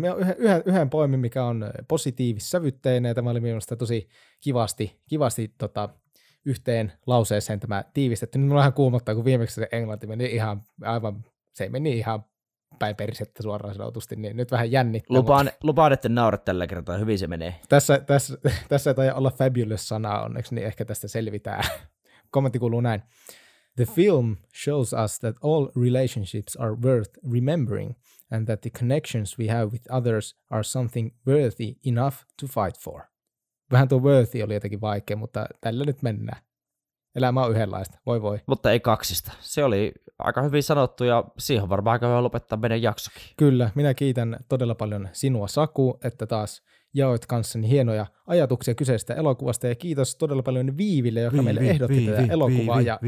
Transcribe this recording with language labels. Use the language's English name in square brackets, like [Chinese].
[Finnish] Me on yhden poimin, mikä on positiivissävytteinen, ja tämä oli minusta tosi kivasti yhteen lauseeseen tämä tiivistetty. Nyt minulla vähän kuumottaa, kun viimeksi se englanti meni ihan aivan, se meni ihan päin perisettä suoraan sanotusti, niin nyt vähän jännittää. Lupaan, että naurat tällä kertaa, hyvin se menee. Tässä ei olla fabulous-sana onneksi, niin ehkä tästä selvitään. Kommentti kuuluu näin. [English] The film shows us that all relationships are worth remembering and that the connections we have with others are something worthy enough to fight for. [Finnish] Vähän tuo worthy oli jotenkin vaikea, mutta tällä nyt mennään. Elämä on yhdenlaista, voi voi. Mutta ei kaksista. Se oli aika hyvin sanottu ja siihen varmaan aika hyvä lopettaa meidän jaksokin. Kyllä, minä kiitän todella paljon sinua Saku, että taas jaoit kanssani hienoja ajatuksia kyseisestä elokuvasta ja kiitos todella paljon Viiville, joka meille ehdotti tätä elokuvaa.